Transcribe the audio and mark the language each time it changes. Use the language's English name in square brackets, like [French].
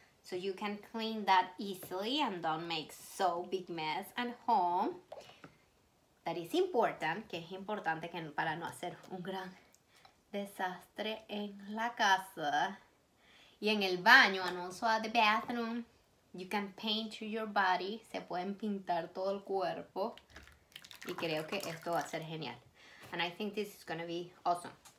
[English] So you can clean that easily and don't make so big mess at home. That is important, [Spanish] que es importante que para no hacer un gran desastre en la casa. Y en el baño, [English] and also at the bathroom, you can paint your body. [Spanish] Se pueden pintar todo el cuerpo. Y creo que esto va a ser genial. [English] And I think this is going to be awesome.